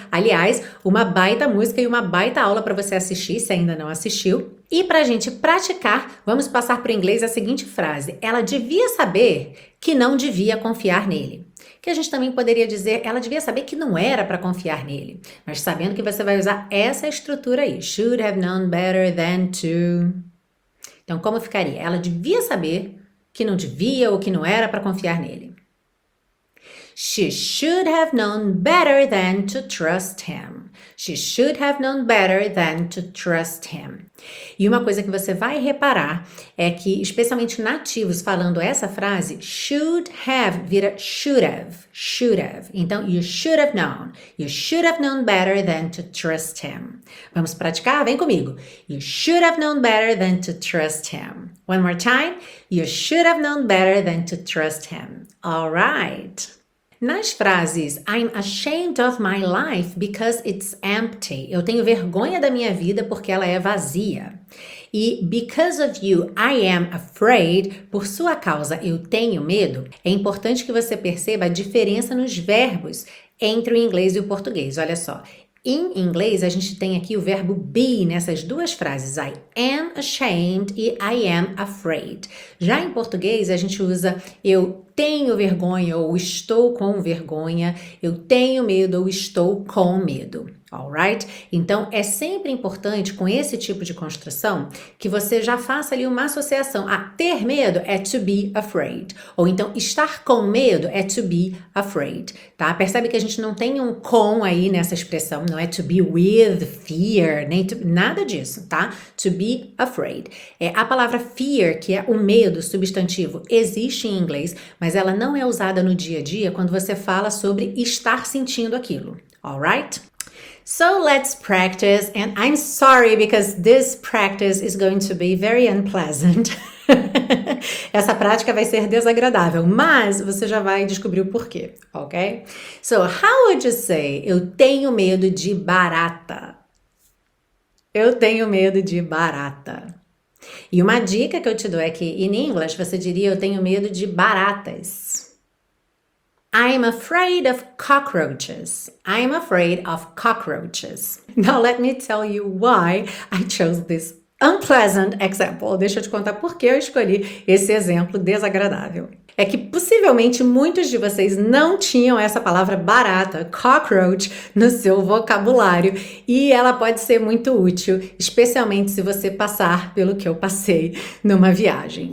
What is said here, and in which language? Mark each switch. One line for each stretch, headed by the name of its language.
Portuguese: Aliás, uma baita música e uma baita aula para você assistir, se ainda não assistiu. E para a gente praticar, vamos passar para o inglês a seguinte frase. Ela devia saber que não devia confiar nele. Que a gente também poderia dizer, ela devia saber que não era para confiar nele. Mas sabendo que você vai usar essa estrutura aí.
English: Should have known better than to.
Portuguese: Então, como ficaria? Ela devia saber que não devia ou que não era para confiar nele.
English: She should have known better than to trust him. She should have known better than to trust him.
Portuguese: E uma coisa que você vai reparar é que, especialmente nativos falando essa frase,
English: should have
Portuguese: vira
English: should have, should have.
Portuguese: Então,
English: you should have known better than to trust him.
Portuguese: Vamos praticar? Vem comigo.
English: You should have known better than to trust him. One more time. You should have known better than to trust him. All right.
Portuguese: Nas frases,
English: I'm ashamed of my life because it's empty.
Portuguese: Eu tenho vergonha da minha vida porque ela é vazia.
English: E because of you, I am afraid.
Portuguese: Por sua causa, eu tenho medo. É importante que você perceba a diferença nos verbos entre o inglês e o português. Olha só. Em inglês, a gente tem aqui o verbo be nessas duas frases.
English: I am ashamed e I am afraid.
Portuguese: Já em português, a gente usa eu tenho vergonha ou estou com vergonha. Eu tenho medo ou estou com medo.
English: Alright?
Portuguese: Então, é sempre importante com esse tipo de construção que você já faça ali uma associação. Ah, ter medo é
English: to be afraid.
Portuguese: Ou então, estar com medo é to be afraid. Tá? Percebe que a gente não tem um com aí nessa expressão. Não é
English: to be with fear,
Portuguese: nem to, nada disso, tá?
English: To be afraid.
Portuguese: É, a palavra fear, que é o medo, substantivo, existe em inglês, mas ela não é usada no dia a dia quando você fala sobre estar sentindo aquilo.
English: Alright? So let's practice, and I'm sorry because this practice is going to be very unpleasant.
Portuguese: Essa prática vai ser desagradável, mas você já vai descobrir o porquê, ok?
English: So how would you say,
Portuguese: eu tenho medo de barata? Eu tenho medo de barata. E uma dica que eu te dou é que,
English: in English,
Portuguese: você diria, eu tenho medo de baratas.
English: I'm afraid of cockroaches. I'm afraid of cockroaches. Now let me tell you why I chose this unpleasant example.
Portuguese: Deixa eu te contar por que eu escolhi esse exemplo desagradável. É que possivelmente muitos de vocês não tinham essa palavra barata, cockroach, no seu vocabulário. E ela pode ser muito útil, especialmente se você passar pelo que eu passei numa viagem.